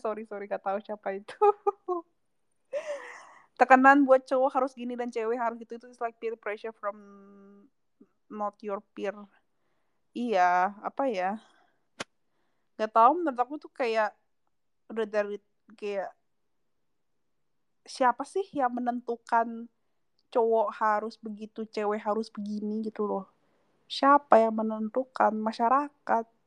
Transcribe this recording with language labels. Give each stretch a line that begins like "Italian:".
English: Sorry, sorry,
Indonesian: nggak tahu siapa itu. Tekanan buat cowok harus gini dan cewek harus gitu.
English: It's like peer pressure from not your peer.
Indonesian: Iya, apa ya? Nggak tahu, menurut aku tuh kayak udah dari kayak siapa sih yang menentukan cowok harus begitu, cewek harus begini gitu loh. Siapa yang menentukan? Masyarakat.